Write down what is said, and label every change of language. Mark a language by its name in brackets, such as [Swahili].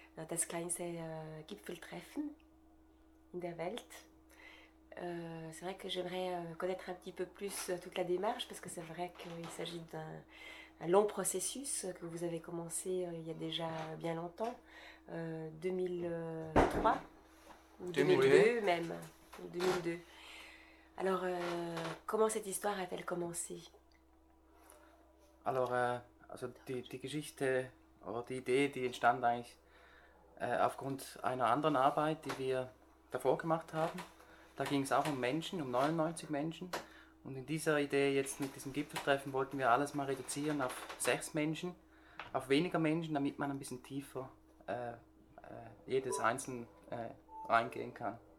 [German] Das kleinste Gipfeltreffen in der Welt. [French] C'est vrai que j'aimerais connaître un petit peu plus toute la démarche parce que c'est vrai qu'il s'agit d'un long processus que vous avez commencé il y a déjà bien longtemps. 2003 ou 2002 même 2002. Alors comment cette histoire a-t-elle commencé? [German] Alors also die Geschichte oder die Idee die entstand eigentlich aufgrund einer anderen Arbeit die wir davor gemacht haben. Da ging es auch um Menschen, um 99 Menschen, und in dieser Idee jetzt mit diesem Gipfeltreffen wollten wir alles mal reduzieren auf 6 Menschen, auf weniger Menschen, damit man ein bisschen tiefer jedes Einzelne reingehen kann.